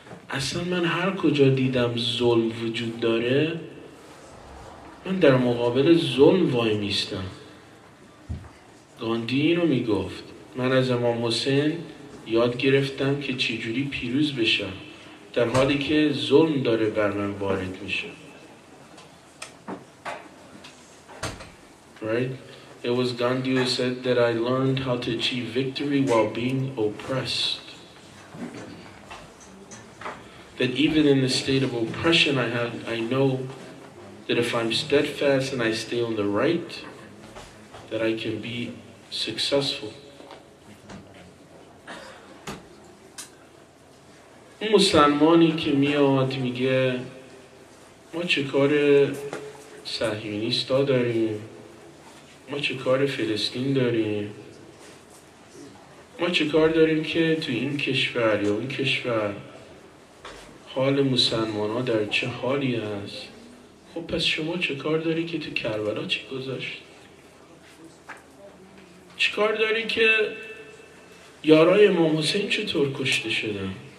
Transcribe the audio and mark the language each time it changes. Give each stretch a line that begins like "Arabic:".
Persian: اصلا من هر کجا دیدم ظلم وجود داره، من در مقابل ظلم وای میستم. گاندی اینو میگفت. من از امام حسین یاد گرفتم که چجوری پیروز بشم در حالی که ظلم داره بر من وارد میشه.
English: Right? It was Gandhi who said that I learned how to achieve victory while being oppressed. That even in the state of oppression I had, I know that if I'm steadfast and I stay on the right, that I can be successful.
Persian: اون مسلمانی که میاد میگه ما چه کار صهیونیستا داریم؟ ما چه کار فلسطین داریم؟ ما چه کار داریم که تو این کشور یا اون کشور حال مسلمان ها در چه حالی هست؟ خب پس شما چه کار داری که تو کربلا چی گذاشت؟ چه کار داری که یارای امام حسین چطور کشته شدن؟